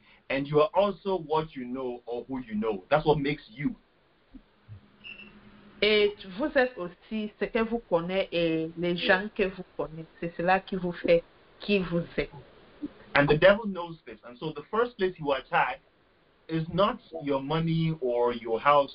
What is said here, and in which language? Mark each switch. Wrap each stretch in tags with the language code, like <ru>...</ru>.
<en>And you are also what you know or who you know. That's what makes you.</en> <fr>Et vous êtes aussi ce que vous connaissez et les gens que vous connaissez. C'est cela qui vous fait qui vous êtes.</fr> <en>And the devil knows this. And so the first place you attack is not your money or your house.</en>